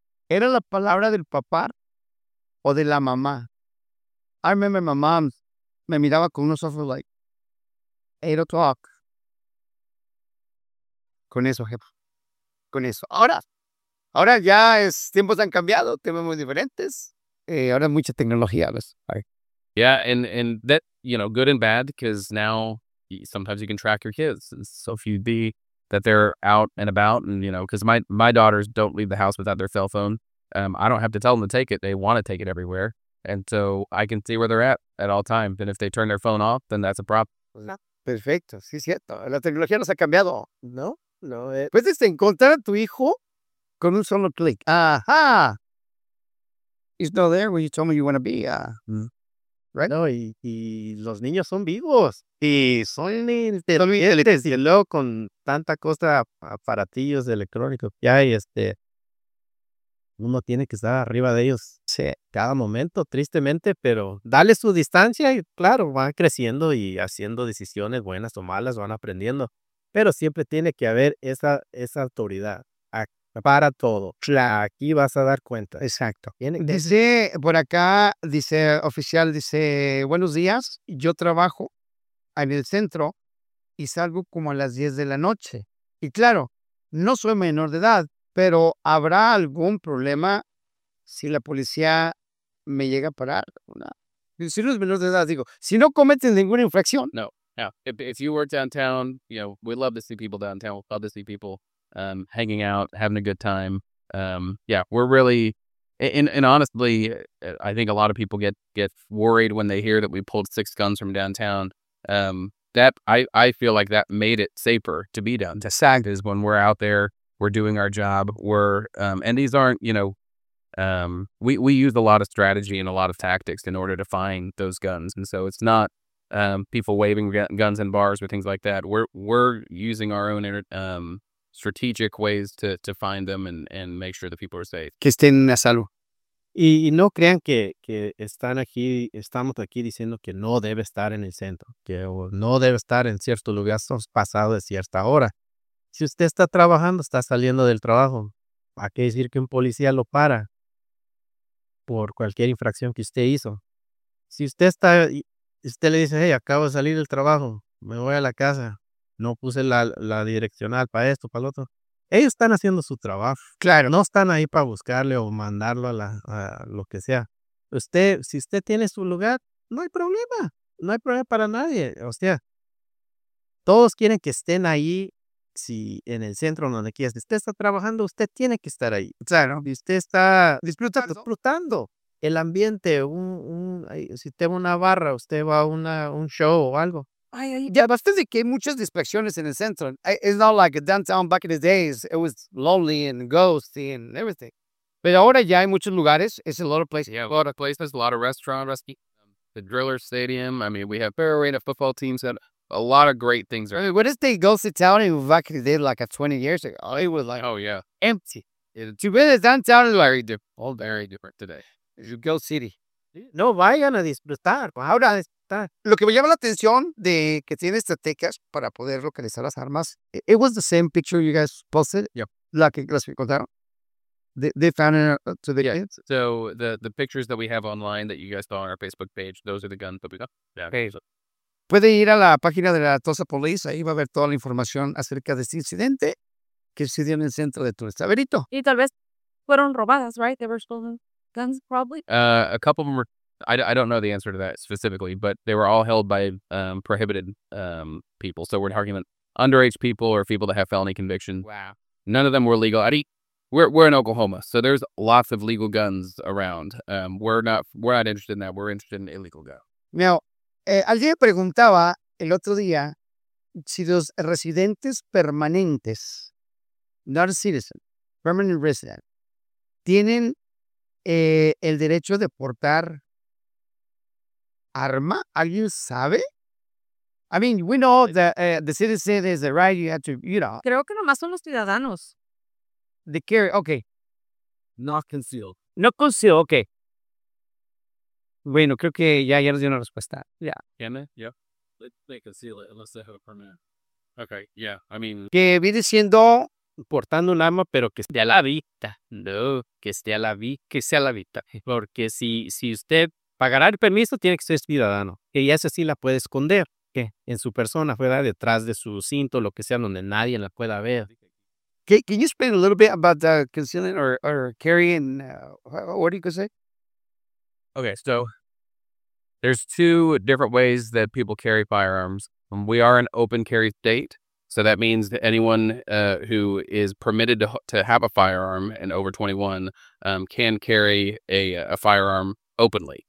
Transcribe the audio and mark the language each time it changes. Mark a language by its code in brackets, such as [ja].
[es] ¿Era la palabra del papá o de la mamá? [en] I remember my mom [es] me miraba con unos ojos [en] like, 8 o'clock. [es] Con eso, jefa. Con eso. Ahora ya es, tiempos han cambiado, temas muy diferentes. Ahora mucha tecnología. [en] Yeah, and that, you know, good and bad, because now sometimes you can track your kids. And so if you be that they're out and about, and, you know, because my daughters don't leave the house without their cell phone. I don't have to tell them to take it. They want to take it everywhere. And so I can see where they're at all times. And if they turn their phone off, then that's a problem. [es] Perfecto. Sí, cierto. La tecnología nos ha cambiado. No. No, puedes encontrar a tu hijo con un solo clic. Ajá. [en] He's not there where you told me you want to be. Right? [es] No, y los niños son vivos. Y son inteligentes. Y luego con tanta cosa, aparatillos electrónicos que hay, uno tiene que estar arriba de ellos. Sí. Cada momento, tristemente, pero dale su distancia y claro, van creciendo y haciendo decisiones buenas o malas, van aprendiendo. Pero siempre tiene que haber esa autoridad para todo. Claro. Aquí vas a dar cuenta. Exacto. Desde por acá, dice oficial, dice, buenos días. Yo trabajo en el centro y salgo como a las 10 de la noche. Y claro, no soy menor de edad, pero ¿habrá algún problema si la policía me llega a parar? Si no es menor de edad, digo, si no cometen ninguna infracción. No. [en] Yeah, if you work downtown, you know, we love to see people downtown. We love to see people hanging out, having a good time. Yeah, we're really, and honestly, I think a lot of people get worried when they hear that we pulled 6 guns from downtown. That I feel like that made it safer to be downtown. Exactly. Is when we're out there, we're doing our job. We're and these aren't, you know, we use a lot of strategy and a lot of tactics in order to find those guns, and so it's not. People waving guns in bars or things like that. We're using our own strategic ways to find them and make sure that people are safe. [es] Que estén a salvo. Y no crean que están aquí, estamos aquí diciendo que no debe estar en el centro, que no debe estar en cierto lugar, son pasado de cierta hora. Si usted está trabajando, está saliendo del trabajo, ¿a qué decir que un policía lo para por cualquier infracción que usted hizo? Si usted está... Y usted le dice, hey, acabo de salir del trabajo, me voy a la casa, no puse la direccional para esto, para lo otro. Ellos están haciendo su trabajo. Claro. No están ahí para buscarle o mandarlo a lo que sea. Usted, si usted tiene su lugar, no hay problema. No hay problema para nadie. O sea, Todos quieren que estén ahí. Si en el centro donde quieras, usted está trabajando, usted tiene que estar ahí. Claro. Y usted está disfrutando el ambiente. Si tengo una barra, usted va a un show o algo. [en] Yeah, but still, there are [es] muchas distracciones [en] in the center. It's not like downtown back in the days. It was lonely and ghosty and everything. But [es] ahora ya hay muchos lugares. [en] It's a lot of places. Yeah, a lot of places, a lot of restaurants. The Driller Stadium. I mean, we have Fair Arena football teams. A lot of great things. What is the ghosty town in back in the day, like 20 years ago? It was like empty. To be honest, downtown is very different. All very different today. It's a ghost city. [es] No, vayan a disfrutar. Ahora a disfrutar. Lo que me llama la atención de que tiene estrategias para poder localizar las armas. [en] It was the same picture you guys posted. Yep. [es] Las que contaron. [en] They found it to the kids. So the pictures that we have online that you guys saw on our Facebook page, those are the guns that we got. Yeah. [es] Puede ir a la página de la Tulsa Police. Ahí va a ver toda la información acerca de este incidente que se dio en el centro de Tulsa. Verito. Y tal vez fueron robadas, [en] right? They were stolen. Guns, probably? A couple of them were, I don't know the answer to that specifically, but they were all held by prohibited people. So we're talking about underage people or people that have felony convictions. Wow. None of them were legal. We're in Oklahoma, so there's lots of legal guns around. We're not interested in that. We're interested in illegal guns. [es] Now, alguien me preguntaba el otro día si los residentes permanentes, [en] not a citizen, permanent resident, [es] tienen el derecho de portar arma. ¿Alguien sabe? [en] I mean, we know that the citizen is the right you have to, you know. [es] Creo que nomás son los ciudadanos. [en] The carry, okay. Not concealed. Not concealed, okay. [es] Bueno, creo que ya nos dio una respuesta. [en] Yeah. Can they? Yeah. They conceal it unless they have a permit. Okay, yeah, I mean. [es] Que viene siendo portando un arma, pero que esté a la vista. No, que esté a la vista. Que sea a la vista. Porque si usted pagará el permiso, tiene que ser ciudadano. Y esa sí la puede esconder. ¿Qué? En su persona, fuera, detrás de su cinto, lo que sea, donde nadie la pueda ver. [en] Can you explain a little bit about the concealing or carrying? What do you say? Okay, so there's two different ways that people carry firearms. We are an open carry state. So that means that anyone who is permitted to have a firearm and over 21 can carry a firearm openly.